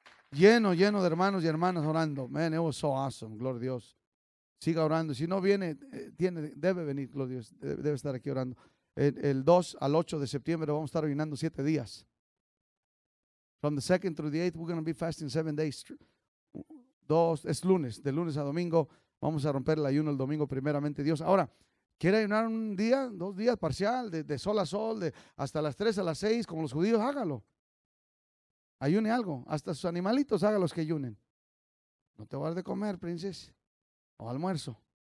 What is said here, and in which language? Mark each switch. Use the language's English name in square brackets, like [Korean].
[Spanish] Lleno de hermanos y hermanas orando. [English] Man, it was so awesome, [Spanish] gloria a Dios. Siga orando, si no viene, debe venir, gloria a Dios, debe estar aquí orando. El 2 al 8 de septiembre vamos a estar orinando 7 días. [English] From the 2nd through the 8th, we're going to be fasting 7 days. [Spanish] Es lunes, de lunes a domingo, vamos a romper el ayuno el domingo primeramente, Dios. Ahora, ¿quiere ayunar un día, dos días, parcial, de sol a sol, de hasta las 3 a las 6, como los judíos? Hágalo. Ayune algo, hasta sus animalitos hágalos que ayunen. No te vas de comer, princesa, o almuerzo.